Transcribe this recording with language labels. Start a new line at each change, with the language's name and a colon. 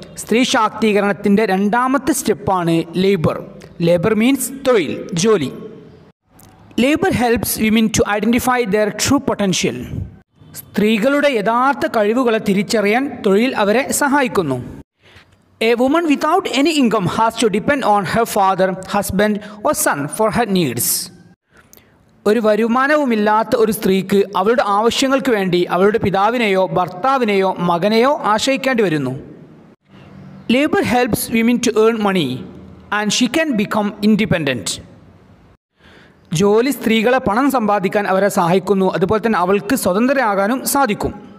Malayalam: സ്ത്രീ ശാക്തീകരണത്തിൻ്റെ രണ്ടാമത്തെ സ്റ്റെപ്പാണ് ലേബർ.
English: labour means
Malayalam: തൊഴിൽ, ജോലി.
English: Labour helps women to identify their true potential.
Malayalam: സ്ത്രീകളുടെ യഥാർത്ഥ കഴിവുകളെ തിരിച്ചറിയാൻ തൊഴിൽ അവരെ സഹായിക്കുന്നു.
English: A woman without any income has to depend on her father, husband, or son for her needs.
Malayalam: ഒരു വരുമാനവുമില്ലാത്ത ഒരു സ്ത്രീക്ക് അവളുടെ ആവശ്യങ്ങൾക്ക് വേണ്ടി അവളുടെ പിതാവിനെയോ ഭർത്താവിനെയോ മകനെയോ ആശ്രയിക്കേണ്ടി വരുന്നു.
English: Labour helps women to earn money and she can become independent.
Malayalam: ജോലി സ്ത്രീകളെ പണം സമ്പാദിക്കാൻ അവരെ സഹായിക്കുന്നു, അതുപോലെ തന്നെ അവൾക്ക് സ്വതന്ത്രയാകാനും സാധിക്കും.